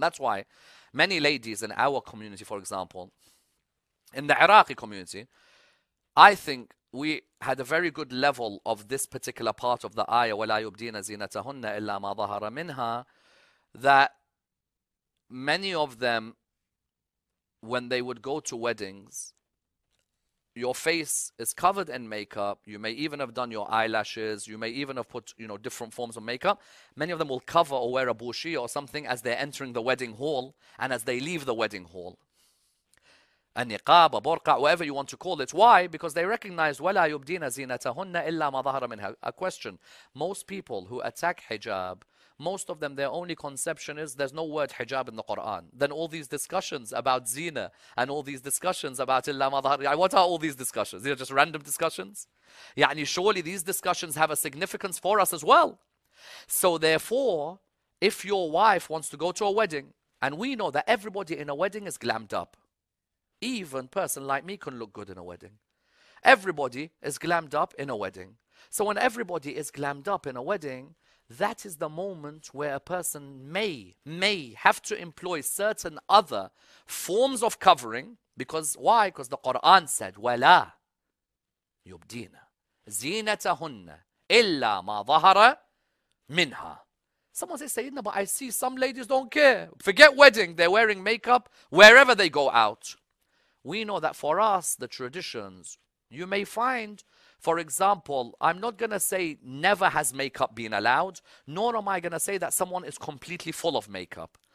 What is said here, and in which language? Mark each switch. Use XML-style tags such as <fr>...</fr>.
<en>That's why many ladies in our community, for example, in the Iraqi community, I think we had a very good level of this particular part of the ayah,</en> <ar>وَلَا يُبْدِينَ زِينَتَهُنَّ إِلَّا مَا ظَهَرَ مِنْهَا,</ar> <en>that many of them, when they would go to weddings, your face is covered in makeup. You may even have done your eyelashes. You may even have put, you know, different forms of makeup. Many of them will cover or wear a burshi or something as they're entering the wedding hall and as they leave the wedding hall. A niqab, a burqa, whatever you want to call it. Why? Because they recognize,</en> <ar>وَلَا يُبْدِينَ زِينَتَهُنَّ إِلَّا مَا ظَهَرَ مِنْهَا.</ar> <en>A question. Most people who attack hijab, most of them, their only conception is there's no word hijab in the Quran. Then all these discussions about zina and all these discussions about</en> <ar>إِلَّا مَا ظَهَرَ,</ar> <en>what are all these discussions? These are just random discussions? يعني surely these discussions have a significance for us as well. So therefore, if your wife wants to go to a wedding, and we know that everybody in a wedding is glammed up, even a person like me can look good in a wedding. Everybody is glammed up in a wedding. So when everybody is glammed up in a wedding, that is the moment where a person may have to employ certain other forms of covering. Because why? Because the Quran said,</en> <ar>وَلَا يُبْدِينَ زِينَتَهُنَّ إِلَّا مَا ظَهَرَ مِنْهَا.</ar> <en>Someone says, Sayyidina, but I see some ladies don't care. Forget wedding, they're wearing makeup wherever they go out. We know that for us, the traditions, you may find, for example, I'm not going to say never has makeup been allowed, nor am I going to say that someone is completely full of makeup.</en>